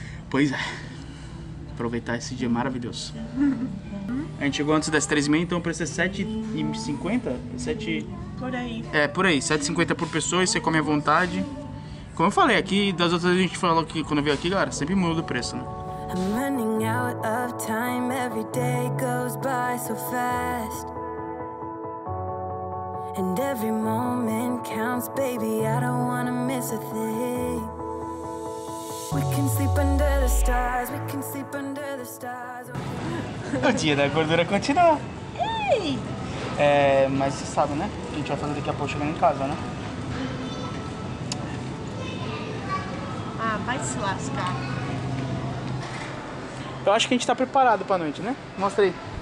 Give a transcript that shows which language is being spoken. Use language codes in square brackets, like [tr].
[pt] Pois é. Aproveitar esse dia maravilhoso. A gente chegou antes das 3h30, então o preço é 7h50? 7... Por aí. É, por aí. 7h50 por pessoa e você come à vontade. Como eu falei aqui, das outras a gente falou que quando veio aqui, galera, sempre muda o preço, né? [en] I'm running out of time, every day goes by so fast. And every moment counts, baby, I don't wanna miss a thing. We can sleep under the stars, we can sleep under the stars. [pt] O dia da gordura continua. Ei! É, mas você sabe, né? O que a gente vai fazer daqui a pouco chegando em casa, né? Ah, vai se lascar. Eu acho que a gente tá preparado pra noite, né? Mostra aí.